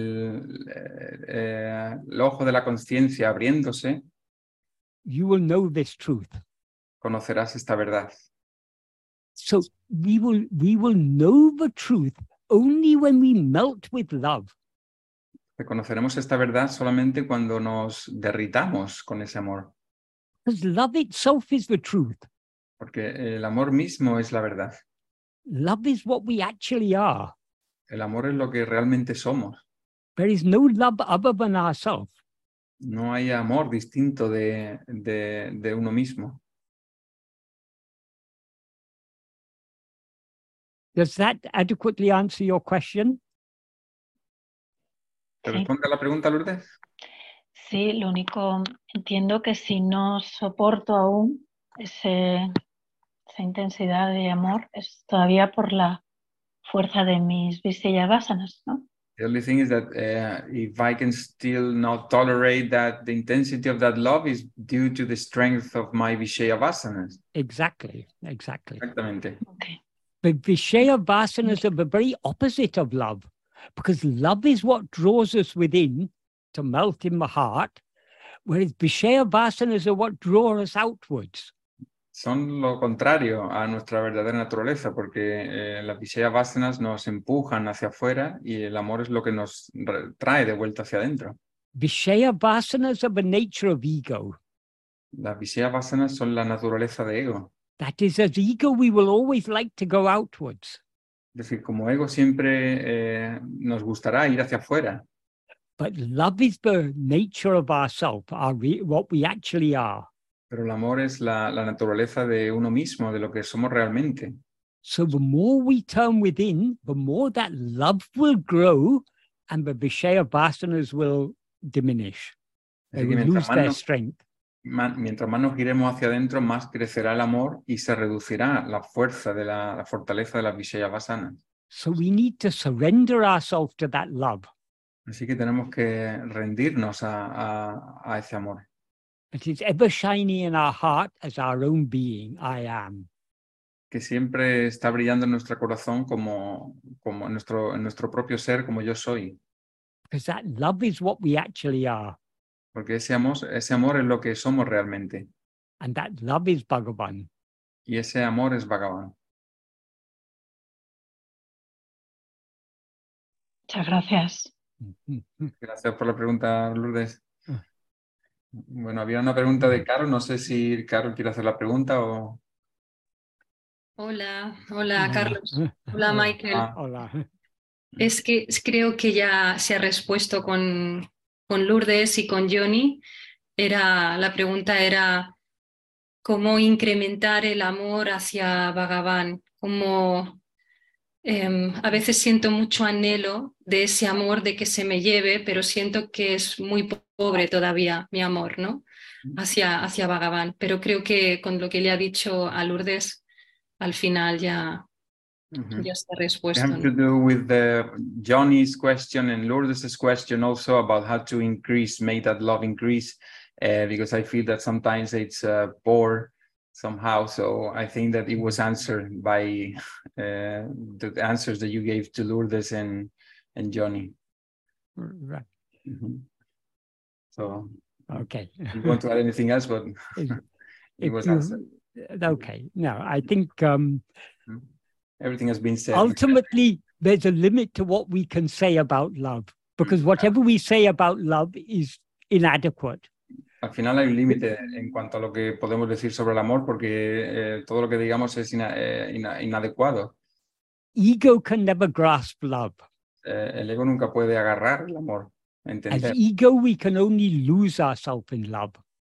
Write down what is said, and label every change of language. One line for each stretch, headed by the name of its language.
Spanish: El ojo de la conciencia abriéndose.
English: You will know this truth.
Spanish: Conocerás esta verdad.
English: So we will know the truth only when we melt with love.
Spanish: Reconoceremos esta verdad solamente cuando nos derritamos con ese amor.
English: Because love itself is the truth.
Spanish: Porque el amor mismo es la verdad.
English: Love is what we actually are.
Spanish: El amor es lo que realmente somos.
English: There is no love other than ourselves.
Spanish: No hay amor distinto de uno mismo.
English: Does that adequately answer your question?
Spanish: ¿Te responde a la pregunta, Lourdes? Sí, lo único, entiendo que si no soporto aún esa intensidad de amor, es todavía por la fuerza de mis visayavasanas, ¿no?
English: The only thing is that if I can still not tolerate that, the intensity of that love is due to the strength of my visayavasanas. Exactly, exactly.
Spanish: Exactamente.
English: Okay. The Vishaya Vasanas are the very opposite of love, because love is what draws us within to melt in the heart, whereas Vishaya Vasanas are what draw us outwards.
Spanish: Son lo contrario a nuestra verdadera naturaleza, porque las Vishaya Vasanas nos empujan hacia afuera y el amor es lo que nos trae de vuelta hacia adentro.
English: Vishaya Vasanas are the nature of ego.
Spanish: Las Vishaya Vasanas son la naturaleza de ego.
English: That is, as ego, we will always like to go outwards.
Spanish: Es decir, como ego siempre nos gustará ir hacia afuera.
English: But love is the nature of ourselves, what we actually are.
Spanish: Pero el amor es la naturaleza de uno mismo, de lo que somos realmente.
English: So the more we turn within, the more that love will grow and the Vishaya Vasanas will diminish. They will lose their strength.
Spanish: mientras más nos giremos hacia adentro, más crecerá el amor y se reducirá la fuerza de la fortaleza de las Vishayas Vasanas.
English: So we need to surrender ourselves to that love.
Spanish: Así que tenemos que rendirnos a ese amor.
English: But it's ever shining in our heart as our own being, I am.
Spanish: Que siempre está brillando en nuestro corazón como en nuestro propio ser, como yo soy.
English: Because that love is what we actually are.
Spanish: Porque ese amor es lo que somos realmente.
English: And that love is Bhagavan.
Spanish: Y ese amor es Bhagavan. Muchas gracias. Gracias por la pregunta, Lourdes. Bueno, había una pregunta de Carol. No sé si Carol quiere hacer la pregunta o... Hola, Carlos. Hola, Michael. Ah, hola. Es que creo que ya se ha respuesto con Lourdes y con Johnny. La pregunta era cómo incrementar el amor hacia Bhagavan. Cómo... a veces siento mucho anhelo de ese amor de que se me lleve, pero siento que es muy pobre todavía mi amor, ¿no? Hacia Bhagavan. Pero creo que con lo que le ha dicho a Lourdes, al final ya, ya está respuesta.
English: It has to do with the Johnny's question and Lourdes's question also about how to increase, make that love increase, because I feel that sometimes it's poor. Somehow, so I think that it was answered by the answers that you gave to Lourdes and Johnny. Right. Mm-hmm. So, okay. You want to add anything else, but it was answered. Okay, no, I think... everything has been said. Ultimately, there's a limit to what we can say about love, because whatever we say about love is inadequate.
Spanish: Al final hay un límite en cuanto a lo que podemos decir sobre el amor, porque todo lo que digamos es inadecuado.
English: Ego can never grasp love.
Spanish: El ego nunca puede agarrar el amor. Entender.
English: As ego, we can only lose ourselves in love.